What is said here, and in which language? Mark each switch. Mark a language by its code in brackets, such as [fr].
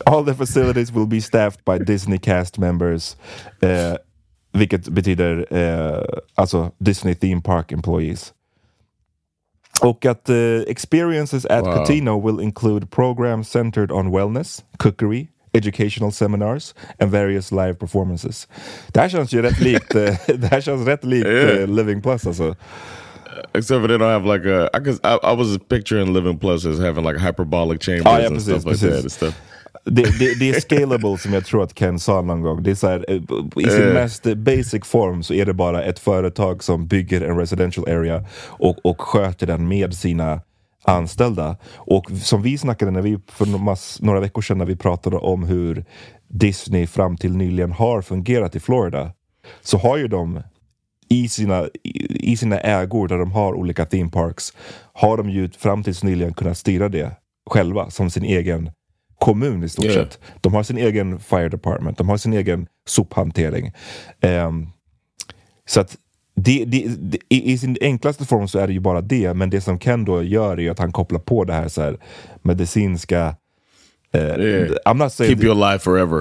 [en] All the facilities will be staffed by Disney cast members, [sv] vilket betyder alltså [en] Disney theme park employees. [sv] Och att [en] experiences at Cortina will include programs centered on wellness, cookery, educational seminars and various live performances. [sv] Det här känns ju rätt likt Living Plus alltså. [en] Except for they don't have like a, I was picturing Living Plus as having like hyperbolic chambers and stuff like that. [sv] Det är scalable som jag tror att Ken sa någon gång. Det är så här, i sin mest basic form så är det bara ett företag som bygger en residential area och sköter den med sina anställda. Och som vi snackade när vi för några veckor sedan, när vi pratade om hur Disney fram till nyligen har fungerat i Florida, så har ju de i sina ägor där de har olika theme parks, har de ju fram tills nyligen kunnat styra det själva som sin egen kommun i stort sett. De har sin egen fire department, de har sin egen sophantering. Så att i sin enklaste form så är det ju bara det, men det som Ken då gör är att han kopplar på det här så här medicinska [en] I'm not saying keep you alive forever.